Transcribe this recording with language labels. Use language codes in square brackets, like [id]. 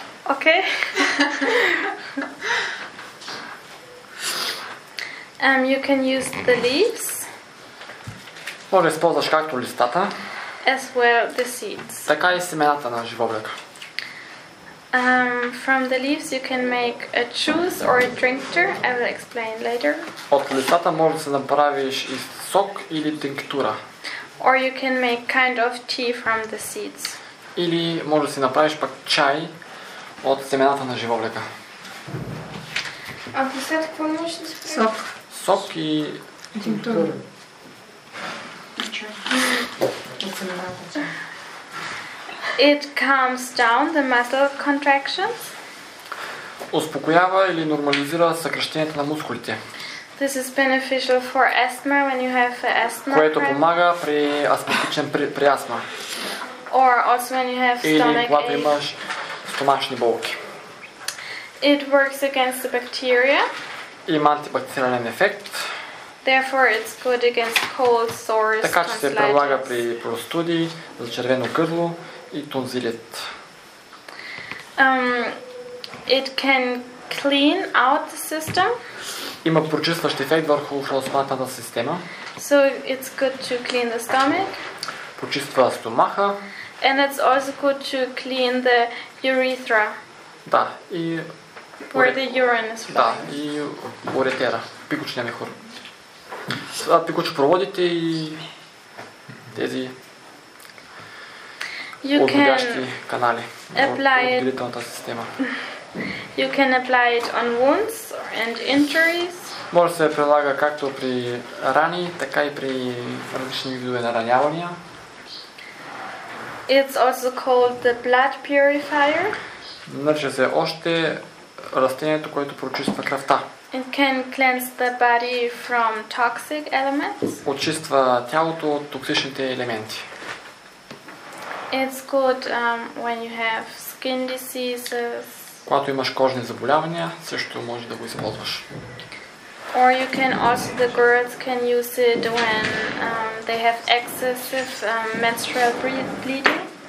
[bg] Окей. [en] You can use the leaves. [bg] Може да използваш както листата, [en] as well the seeds. [bg] Така и семената на живоблека. [en] From the leaves you can make a juice or a drinker. I will explain later. [bg] От листата може да се направиш и сок или тинктура. [en] Or you can make kind of tea from the seeds. [bg] Или може да си направиш пак чай от семената на живоблека. А писат какво можеш да спреш? Сок. Сок и тинктура. [en] It calms down the muscle contractions. [bg] Успокоява или нормализира съкращението на мускулите. [en] This is beneficial for asthma when you have asthma. [bg] Което помага при астматичен при астма. [en] Or also when you have stomach [bg] ache. Или когато имаш стомашни болки. [en] It works against the bacteria. [bg] Има антибактериален ефект. [en] Therefore it's good against cold sores, tonsillitis. [bg] Така че се прилага при простуди, за червено гърло и тонзилит. [en] It can clean out the system. [bg] Има прочистващ ефект върху храносмилателната система. [en] So it's good to clean the stomach. [bg] Почиства стомаха. [en] And it's also good to clean the urethra. [bg] Да, и [en] where the urine is from. [bg] Да, и уретера, пикочния мехур. Това пикочо проводите и тези отводящи канали от гледателната система. [en] You can apply it on wounds and injuries. [bg] Може да се прилага както при рани, така и при различни видове наранявания. [en] It's also called the blood purifier. [bg] Нарича се още растението, което прочиства кръвта. [en] It can cleanse the body from toxic elements. [bg] Очиства тялото от токсичните елементи. [en] It's good when you have skin diseases. [bg] Когато имаш кожни заболявания, също можеш да го използваш. [en] Or you can also, the girls can use it when they have excessive menstrual bleeding.